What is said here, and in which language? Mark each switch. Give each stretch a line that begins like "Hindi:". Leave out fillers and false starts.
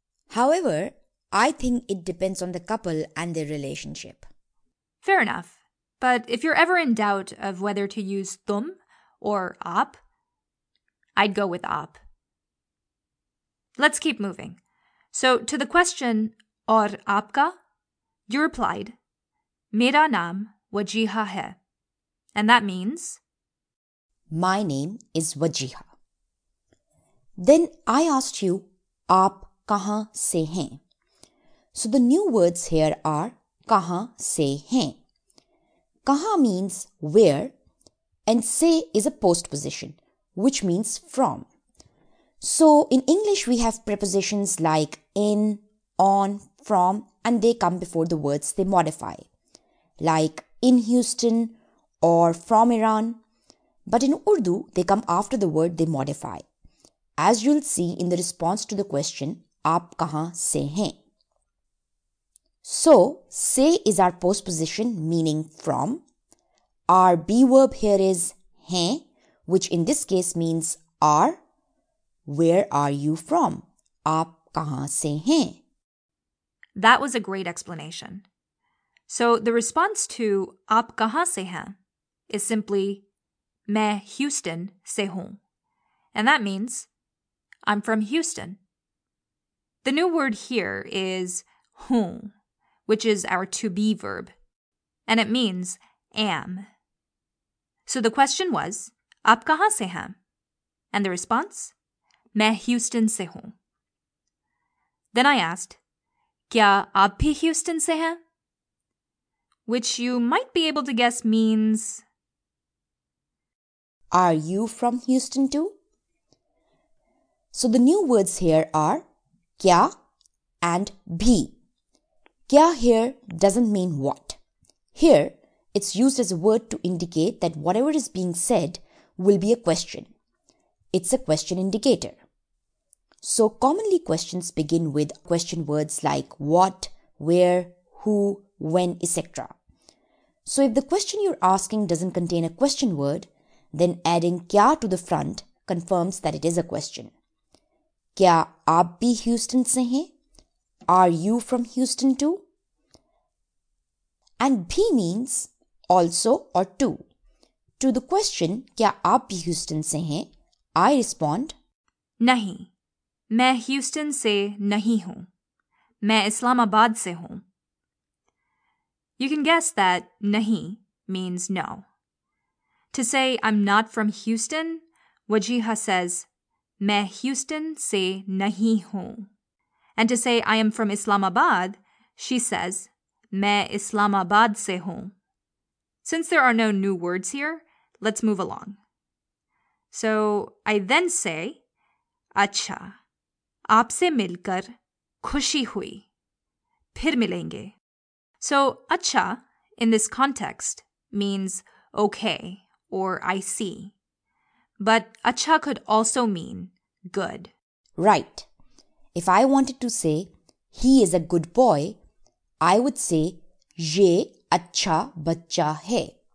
English: However, I think it depends on the couple and their relationship. Fair enough. But if you're ever in doubt of whether to use tum or aap, I'd go with aap. Let's keep moving. So to the question,
Urdu: اور آپکا,
English: you replied,
Urdu: میرا نام وجیہہ ہے.
English: And that means? My name is Wajiha. Then I asked you,
Urdu: aap kahan se hain?
English: So the new words here are kahan se hain. Kahan means where and se is a postposition, which means from. So in English, we have prepositions like in, on, from, and they come before the words they modify, like in Houston or from Iran. But in Urdu, they come after the word they modify, as you'll see in the response to the question,
Urdu: aap kahan se hain?
English: So, se is our postposition meaning from. Our be verb here is hain, which in this case means are. Where are you from?
Urdu: Aap kahan se hain?
English: That was a great explanation. So, the response to
Urdu: آپ کہاں سے ہیں
English: is simply,
Urdu: میں Houston سے ہوں.
English: And that means, I'm from Houston. The new word here is hoon, which is our to-be verb, and it means am. So the question was,
Urdu: آپ کہاں سے ہیں?
English: And the response,
Urdu: میں Houston سے ہوں.
English: Then I asked,
Urdu: کیا آپ بھی ہیوسٹن سے ہیں?
English: Which you might be able to guess means, are you from Houston too? So the new words here are kya and bhi. Kya here doesn't mean what. Here, it's used as a word to indicate that whatever is being said will be a question. It's a question indicator. So commonly questions begin with question words like what, where, who, when, etc. So if the question you're asking doesn't contain a question word, then adding kya to the front confirms that it is a question.
Urdu: Kya aap bhi
English: Houston
Urdu: se hain?
English: Are you from Houston too? And bhi means also or too. To the question,
Urdu: kya aap bhi Houston se hain?
English: I respond,
Urdu: نہیں، میں Houston سے نہیں ہوں۔ میں اسلام آباد سے ہوں۔
English: You can guess that nahi means no. To say I'm not from Houston, Wajiha says,
Urdu: میں ہیوسٹن سے نہیں ہوں.
English: And to say I am from Islamabad, she says,
Urdu: main Islamabad se hoon.
English: Since there are no new words here, let's move along. So I then say,
Urdu: اچھا، آپ سے ملکر خوشی ہوئی، پھر ملیں گے.
English: So acha in this context means okay or I see. But acha could also mean good. Right. If I wanted to say, he is a good boy, I would say,
Urdu: ye achha bachcha hai.